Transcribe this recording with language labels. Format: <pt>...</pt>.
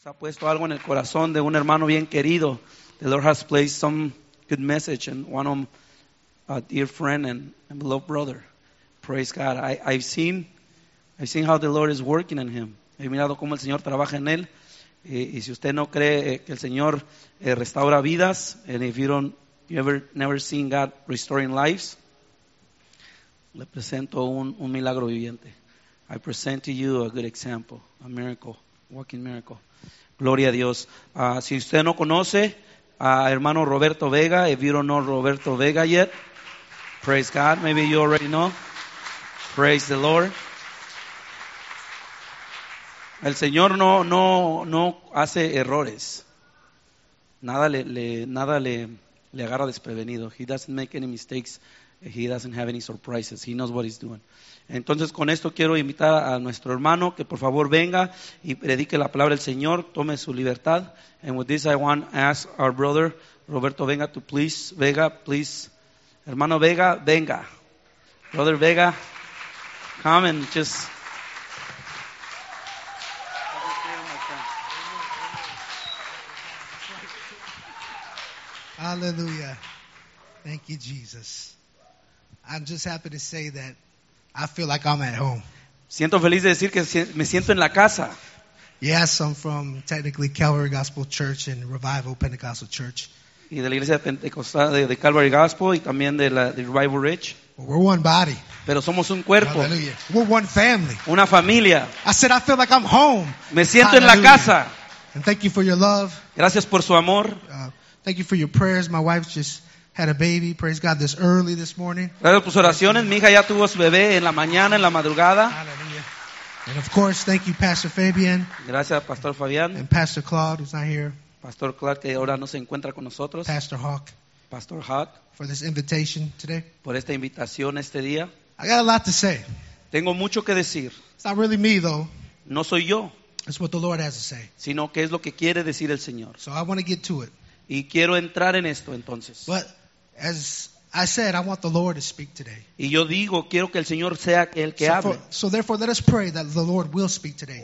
<es>Ha puesto algo en el corazón de un hermano bien querido.</es> <en>The Lord has placed some good message in one of a dear friend and beloved brother. Praise God. I've seen how the Lord is working in him.</en> <es>He mirado cómo el Señor trabaja en él. Y si usted no cree que el Señor restaura vidas,</es> <en>and if you don't, you ever never seen God restoring lives,</en> <es>le presento un milagro viviente.</es> <en>I present to you a good example, a miracle, walking miracle.</en> <es>Gloria a Dios. Si usted no conoce a hermano Roberto Vega,</es> <en>if you don't know Roberto Vega yet, praise God, maybe you already know. Praise the Lord.</en> <es>El Señor no hace errores. Nada le agarra desprevenido.</es> <en>He doesn't make any mistakes. He doesn't have any surprises. He knows what he's doing.</en> <es>Entonces, con esto quiero invitar a nuestro hermano que por favor venga y predique la palabra del Señor, tome su libertad.</es> <en>And with this, I want to ask our brother Roberto Vega to please, Vega, please,</en> <es>hermano Vega, venga,</es> <en>brother Vega, come and just. Hallelujah! Thank you, Jesus. I'm just happy to say that I feel like I'm at home.</en> <es>Siento feliz de decir que me siento en la casa.</es> <en>Yes, I'm from technically Calvary Gospel Church and Revival Pentecostal Church.</en> <es>Y de la iglesia pentecostal de Calvary Gospel y también de la de Revival Ridge.</es> <en>We're one body.</en> <es>Pero somos un cuerpo.</es> <en>Hallelujah. We're one family.</en> <es>Una familia.</es> <en>I said I feel like I'm home.</en> <es>Me siento Hallelujah. En la casa.</es> <en>And thank you for your love.</en> <es>Gracias por su amor.</es> <en>Thank you for your prayers. My wife just had a baby. Praise God, this early this morning.</en> <es>Gracias por sus oraciones. Mi hija ya tuvo su bebé en la mañana, en la madrugada.</es> <en>Hallelujah. And of course, thank you, Pastor Fabian.</en> <es>Gracias, Pastor Fabian.</es> <en>And Pastor Claude, who's not here.</en> <es>Pastor Claude, que ahora no se encuentra con nosotros.</es> <en>Pastor Hawk. Pastor Hawk. For this invitation today.</en> <es>Por esta invitación este día.</es> <en>I got a lot to say.</en> <es>Tengo mucho que decir.</es> <en>It's not really me, though.</en> <es>No soy yo.</es> <en>It's what the Lord has to say.</en> <es>Sino que es lo que quiere decir el Señor.</es> <en>So I want to get to it.</en> <es>Y quiero entrar en esto entonces.</es> <en>But as I said, I want the Lord to speak today.</en> <es>Y yo digo, quiero que el Señor sea el que hable.</es> <en>So therefore, let us pray that the Lord will speak today.</en>